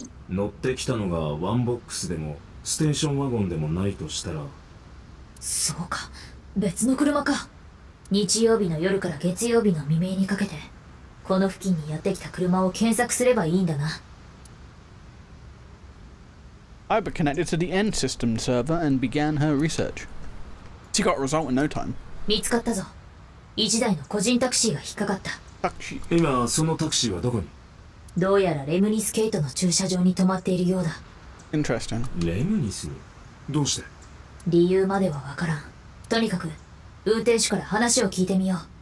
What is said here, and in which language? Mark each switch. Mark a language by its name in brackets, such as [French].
[Japanese] 乗ってきたのがワンボックスでもステーションワゴンでもないとしたら。そうか、別の車か。日曜日の夜から月曜日の未明にかけてこの付近にやってきた車を検索すればいいんだな。 [English] Iba connected to the end system server and began her research. She got a result in no time. [Japanese] 見つかったぞ。 1台の個人タクシーが引っかかった。タクシー。今そのタクシーはどこに？どうやらレムニスケートの駐車場に止まっているようだ。 [English] Interesting. [Japanese] レムニス？どうして？理由まではわからん。とにかく運転手から話を聞いてみよう。